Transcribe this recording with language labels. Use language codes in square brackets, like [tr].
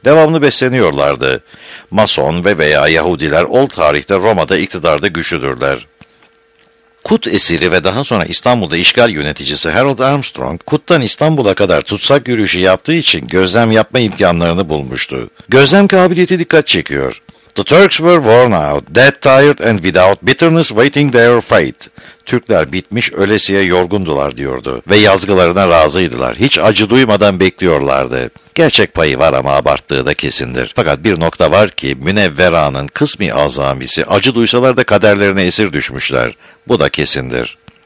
[tr] Devamlı besleniyorlardı. Mason ve veya Yahudiler ol tarihte Roma'da iktidarda güçlüdürler. Kut esiri ve daha sonra İstanbul'da işgal yöneticisi Harold Armstrong, Kut'tan İstanbul'a kadar tutsak yürüyüşü yaptığı için gözlem yapma imkanlarını bulmuştu. Gözlem kabiliyeti dikkat çekiyor. [en] The Turks were worn out, dead tired and without bitterness waiting their fate. [tr] Türkler bitmiş, ölesiye yorgundular diyordu ve yazgılarına razıydılar. Hiç acı duymadan bekliyorlardı. Gerçek payı var ama abarttığı da kesindir. Fakat bir nokta var ki Münevvera'nın kısmi azamisi acı duysalar da kaderlerine esir düşmüşler. Bu da kesindir.